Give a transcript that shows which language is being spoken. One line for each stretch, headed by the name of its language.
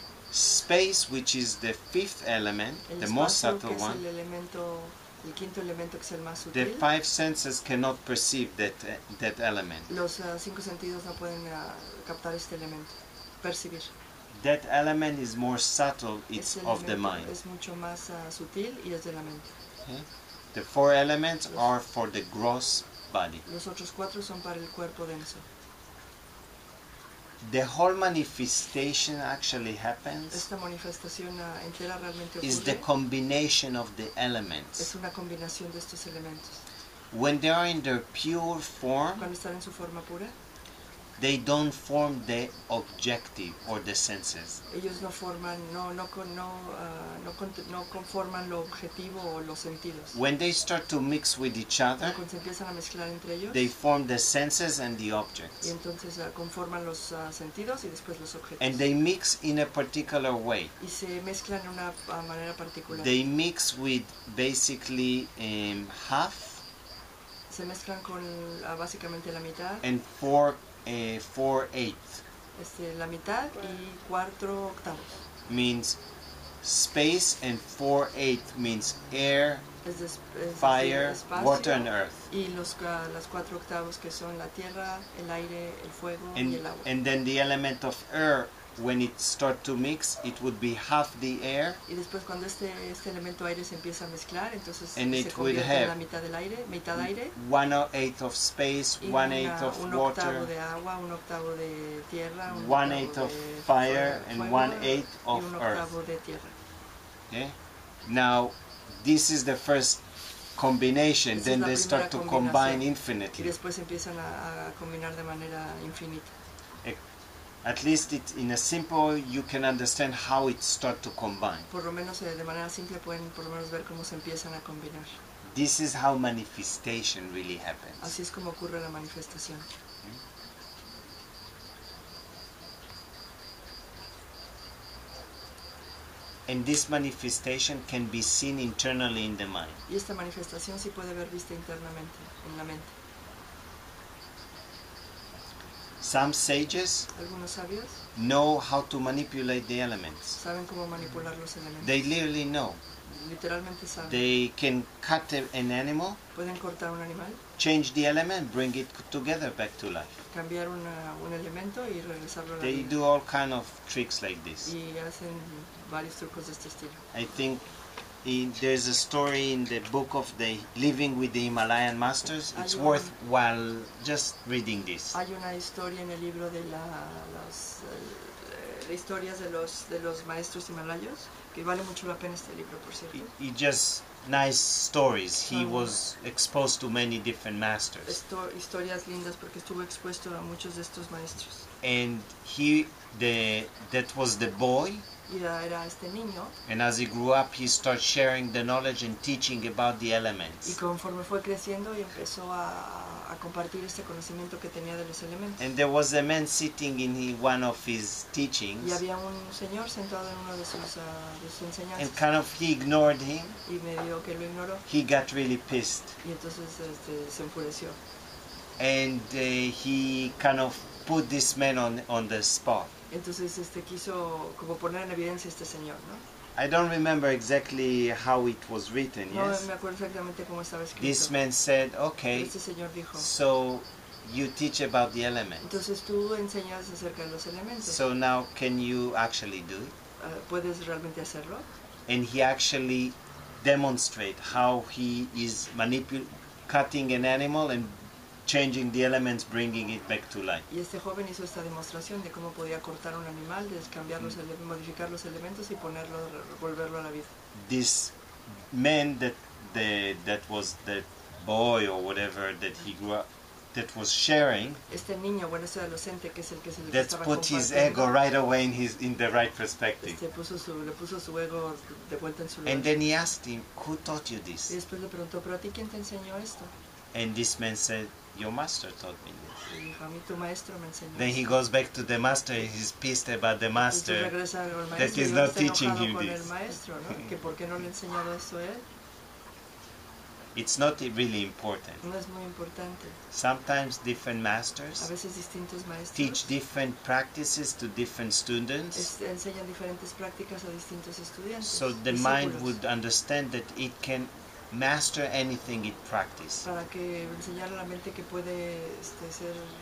English: Space, which is the fifth element, the most subtle one.
Spanish: El quinto elemento, que es el más sutil.
English: The five senses cannot perceive that element.
Spanish: Los cinco sentidos no pueden captar este elemento, percibir.
English: that element is more subtle, it's of the mind.
Spanish: Es mucho más sutil y es de la mente.
English: Okay. The four elements are for the gross body.
Spanish: Los otros cuatro son para el cuerpo denso.
English: The whole manifestation actually happens.
Spanish: Esta manifestación entera realmente ocurre.
English: Is the combination of the elements.
Spanish: Es una combinación de estos elementos.
English: When they are in their pure form,
Spanish: cuando están en su forma pura,
English: they don't form the objective or the senses.
Spanish: Ellos no forman, no conforman lo objetivo o los sentidos.
English: When they start to mix with each other,
Spanish: cuando se empiezan a mezclar entre ellos,
English: they form the senses and the objects.
Spanish: Y entonces conforman los sentidos y después los objetos.
English: And they mix in a particular way.
Spanish: Y se mezclan de una manera particular.
English: They mix with basically half.
Spanish: Se mezclan con básicamente la mitad.
English: And four. 4/8.
Spanish: Este, la mitad y 4 octavos.
English: Means space and 4/8 means air, fire, water and earth.
Spanish: Y los las 4 octavos que son la tierra, el aire, el fuego
English: and,
Spanish: y el agua.
English: And then the element of air, when it start to mix, it would be half the air.
Spanish: Y después cuando este elemento aire se empieza a mezclar, entonces se convierte en la mitad del aire, mitad aire.
English: 1/8 of space, 1/8 of water.
Spanish: Un octavo de agua, un octavo de tierra.
English: 1/8 of fire and 1/8 of earth.
Spanish: Un octavo de tierra.
English: Okay. Now, this is the first combination. Then they start to combine infinitely.
Spanish: Y después empiezan a combinar de manera infinita.
English: At least it in a simple you can understand how it start to combine.
Spanish: Por lo menos de manera simple pueden por lo menos ver cómo se empiezan a combinar.
English: This is how manifestation really happens.
Spanish: Así es como ocurre la manifestación.
English: And this manifestation can be seen internally in the mind.
Spanish: Y esta manifestación sí puede ver vista internamente en la mente.
English: Some sages
Spanish: algunos sabios
English: know how to manipulate the elements.
Spanish: Saben cómo manipular los elementos.
English: They literally know.
Spanish: Literalmente saben.
English: They can cut an animal,
Spanish: pueden cortar un animal,
English: change the element, bring it together back to life.
Spanish: Cambiar un elemento y regresarlo a la
English: they
Spanish: vida.
English: Do all kind of tricks like this.
Spanish: Y hacen varios trucos de este estilo.
English: I think there's a story in the book of the Living with the Himalayan Masters. It's worthwhile just reading this.
Spanish: Hay una historia en el libro de las historias de los maestros himalayos que vale mucho la pena este libro, por cierto.
English: It just nice stories. He was exposed to many different masters.
Spanish: Historias lindas porque estuvo expuesto a muchos de estos maestros.
English: And he the that was the boy.
Spanish: Era este niño.
English: And as he grew up, he started sharing the knowledge and teaching about the elements.
Spanish: Y conforme fue creciendo, y empezó a compartir este conocimiento que tenía de los elementos.
English: And there was a man sitting in one of his teachings.
Spanish: Y había un señor sentado en uno de sus enseñanzas.
English: And kind of he ignored him.
Spanish: Y medio que lo ignoró.
English: He got really pissed.
Spanish: Y entonces se enfureció.
English: And he kind of put this man on the spot.
Spanish: Entonces quiso como poner en evidencia este señor, ¿no?
English: I don't remember exactly how it was written,
Spanish: no,
English: yes.
Spanish: No me acuerdo exactamente cómo estaba escrito.
English: This man said, okay.
Spanish: Este señor dijo.
English: So you teach about the elements.
Spanish: Entonces tú enseñas acerca de los elementos.
English: So now can you actually do it?
Spanish: ¿Puedes realmente hacerlo?
English: And he actually demonstrate how he is cutting an animal and changing the elements, bringing it back to life.
Spanish: Y este joven hizo esta demostración de cómo podía cortar un animal, modificar los elementos y ponerlo, volverlo a la vida.
English: This man that was that boy or whatever that he grew up, that was sharing.
Spanish: Este niño, bueno, este adolescente que es el que se le estaba compartiendo.
English: That put his ego right away in the right perspective.
Spanish: Le puso su ego de vuelta en su lugar.
English: And then he asked him, "Who taught you this?"
Spanish: Y después le preguntó, "¿Pero a ti quién te enseñó esto?"
English: And this man said, "Your master taught me this."
Spanish: A mí tu maestro me enseñó.
English: Then he goes back to the master and he's pissed about the master that he's not teaching him this.
Spanish: Maestro, ¿no? ¿Que por qué no le he enseñado esto a él?
English: It's not really important.
Spanish: No es muy importante.
English: Sometimes different masters,
Spanish: a veces distintos maestros,
English: teach different practices to different students.
Spanish: Enseñan diferentes prácticas a distintos estudiantes.
English: So the mind would understand that it can master anything it practices.
Spanish: Para que enseñar a la mente que puede ser